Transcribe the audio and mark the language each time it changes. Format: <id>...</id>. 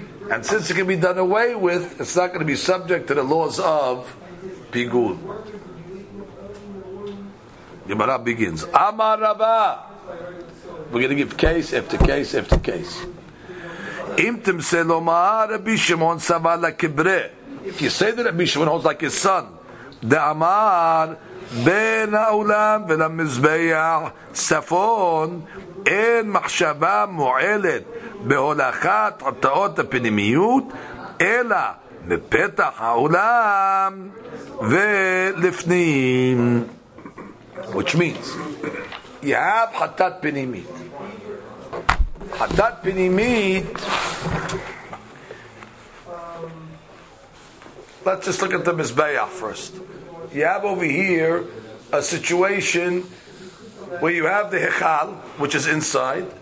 <en>And since it can be done away with, it's not going to be subject to the laws of pigul. Gemara begins. Amar Rava. We're going to give case after case after case.</en> <arc>Im temse lomar Rabbi Shimon savala kibre.</arc> <en>If you say that Rabbi Shimon holds like his son,</en> <he>דאמר בין העולם ולמזבח צפון אין מחשבה מועלת בהולכת התאות הפנימיות אלא מפתח העולם ולפנים.</he> <en>Which means you have חטאת פנימית. חטאת פנימית, let's just look at the Mizbeach first. You have over here a situation where you have the Hechal, which is inside.</en>